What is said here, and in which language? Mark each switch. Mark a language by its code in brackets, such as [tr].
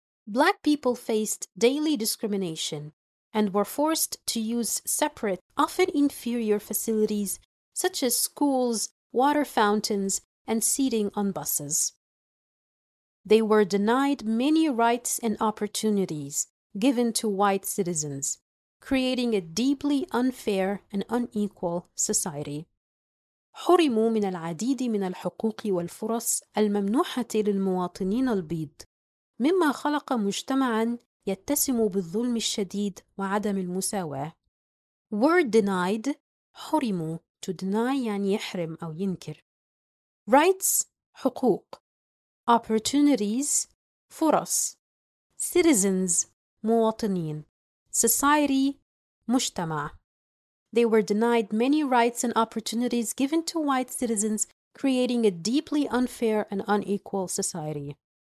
[en] black people faced daily discrimination and were forced to use separate often inferior facilities such as schools water fountains and seating on buses. They were denied many rights and opportunities given to white citizens, creating a deeply unfair and unequal society. [ar] حرموا من العديد من الحقوق والفرص الممنوحة للمواطنين البيض, مما خلق مجتمعاً يتسم بالظلم الشديد وعدم المساواة. Were denied, حرموا, to deny يعني يحرم أو ينكر. Rights, حقوق. Opportunities, فرص. Citizens, مواطنين. Society, مجتمع. [en] They were denied many rights and opportunities given to white citizens, creating a deeply unfair and unequal society.